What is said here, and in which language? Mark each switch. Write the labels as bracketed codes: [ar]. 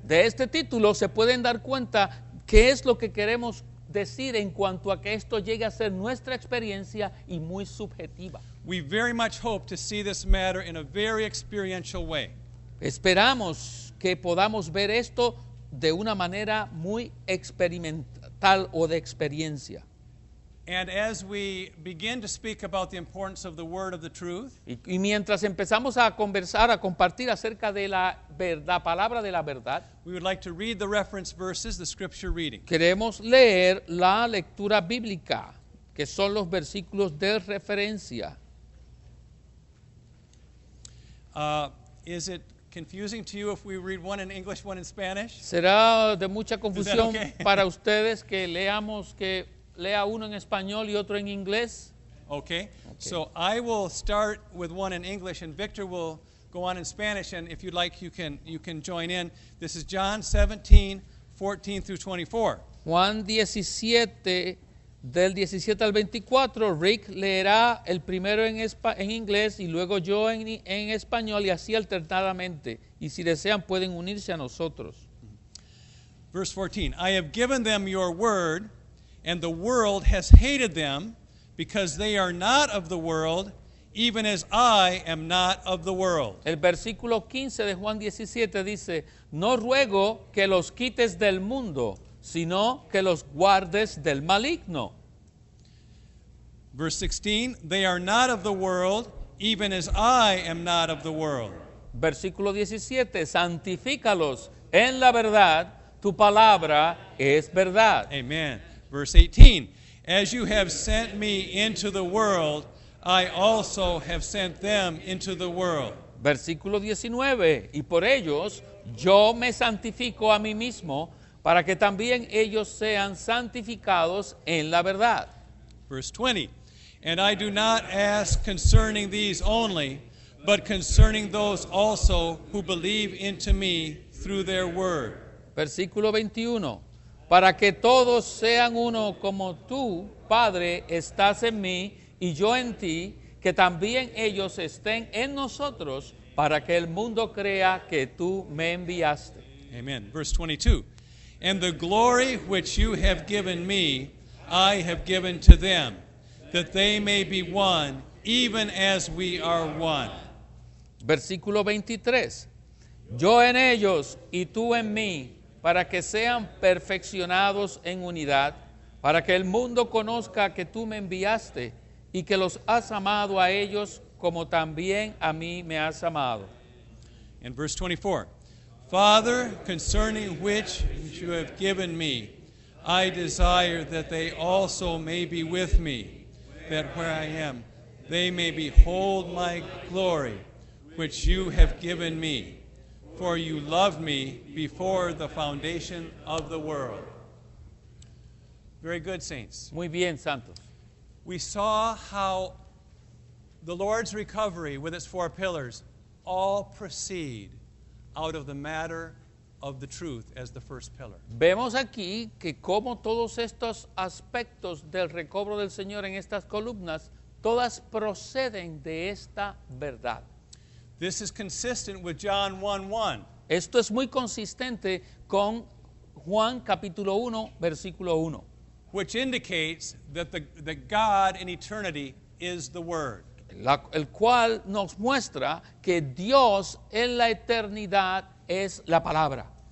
[es] De este título se pueden dar cuenta qué es lo que queremos decir en cuanto a que esto llegue a ser nuestra experiencia y muy subjetiva. [en] We very much hope to see this matter in a very experiential way. [es] Esperamos que podamos ver esto de una manera muy experimental o de experiencia. [en] And as we begin to speak about the importance of the word of the truth, [es] y mientras empezamos a conversar, a compartir acerca de la palabra de la verdad, [en] we would like to read the reference verses, the scripture reading. [es] Queremos leer la lectura bíblica, que son los versículos de referencia. [en] Is it confusing to you if we read one in English, one in Spanish? [es] Será de mucha confusión para ustedes que leamos que lea uno en español y otro en inglés. [en] Okay. So I will start with one in English and Victor will go on in Spanish, and if you'd like you can join in. This is John 17:14-24. [es] Juan 17 del 17 al 24. Rick leerá el primero en inglés y luego yo en español y así alternadamente. Y si desean pueden unirse a nosotros. [en] Verse 14. I have given them your word, and the world has hated them because they are not of the world, even as I am not of the world. [es] El versículo 15 de Juan 17 dice, no ruego que los quites del mundo, sino que los guardes del maligno. [en] Verse 16, they are not of the world, even as I am not of the world. [es] versículo 17, santifícalos en la verdad, tu palabra es verdad. Amen. [en] Verse 18, as you have sent me into the world, I also have sent them into the world. [es] Versículo 19, y por ellos yo me santifico a mí mismo, para que también ellos sean santificados en la verdad. [en] Verse 20, and I do not ask concerning these only, but concerning those also who believe into me through their word. [es] Versículo 21, para que todos sean uno como tú, Padre, estás en mí y yo en ti, que también ellos estén en nosotros, para que el mundo crea que tú me enviaste. Amen. [en] Verse 22, and the glory which you have given me, I have given to them, that they may be one, even as we are one. [es] Versículo 23, yo en ellos y tú en mí, para que sean perfeccionados en unidad, para que el mundo conozca que tú me enviaste y que los has amado a ellos como también a mí me has amado. [en] In verse 24, Father, concerning which you have given me, I desire that they also may be with me, that where I am, they may behold my glory, which you have given me. For you loved me before the foundation of the world. Very good, saints. [es] Muy bien, santos. [en] We saw how the Lord's recovery with its four pillars all proceed out of the matter of the truth as the first pillar. [es] Vemos aquí que como todos estos aspectos del recobro del Señor en estas columnas, todas proceden de esta verdad. [en] This is consistent with John 1:1. [es] Esto es muy consistente con Juan capítulo 1, versículo 1. [en] Which indicates that that God in eternity is the Word. [es] El cual nos muestra que Dios en la eternidad es la palabra.